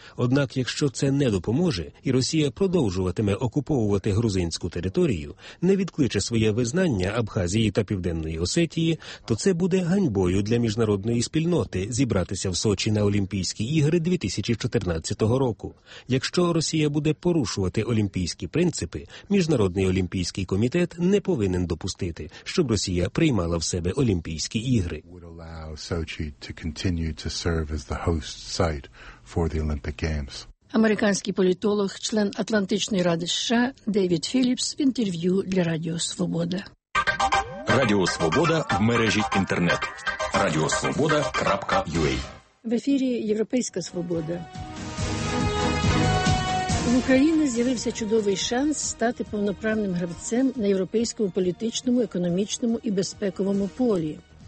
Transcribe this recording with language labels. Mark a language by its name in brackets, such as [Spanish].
[Ukrainian] Однак, якщо це не допоможе, і Росія продовжуватиме окуповувати грузинську територію, не відкличе своє визнання Абхазії та Південної Осетії, то це буде ганьбою для міжнародної спільноти зібратися в Сочі на Олімпійські ігри 2014 року. Якщо Росія буде порушувати олімпійські принципи, Міжнародний Олімпійський комітет не повинен допустити, щоб Росія приймала в себе Олімпійські ігри. [English] Would allow Sochi to continue to serve as the host site for the Olympic Games. [Ukrainian] Американський політолог, член Атлантичної ради США Девід Філіпс в інтерв'ю для Радіо Свобода. Радіо Свобода в мережі Інтернет. radiosvoboda.ua. В ефірі Європейська Свобода. В Україні з'явився чудовий шанс стати повноправним гравцем на європейському політичному, економічному і безпековому полі.